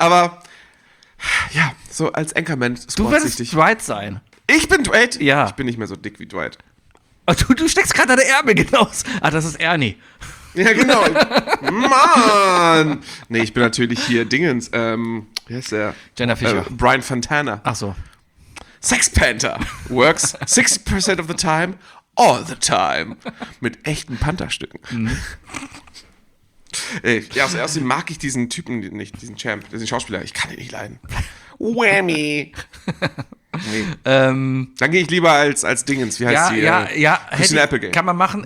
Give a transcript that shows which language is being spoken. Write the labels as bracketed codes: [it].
[de] Aber ja, so als Anchorman. Du würdest Dwight sein. Ich bin Dwight? Ja. Ich bin nicht mehr so dick wie Dwight. Du steckst gerade deine Ärmel genau. Ah, das ist Ernie. Ja, genau. Mann! Nee, ich bin natürlich hier Dingens. Wie heißt der? Jenna Fischer. Brian Fontana. Ach so. [en] Sex Panther works 60% of the time, all the time. [de] Mit echten Pantherstücken. Mhm. Ja, außerdem mag ich diesen Typen nicht, diesen Champ, diesen Schauspieler. Ich kann ihn nicht leiden. Whammy! Nee. Dann gehe ich lieber als Dingens. Wie heißt ja, die? Ja. Christina Applegate. Kann man machen.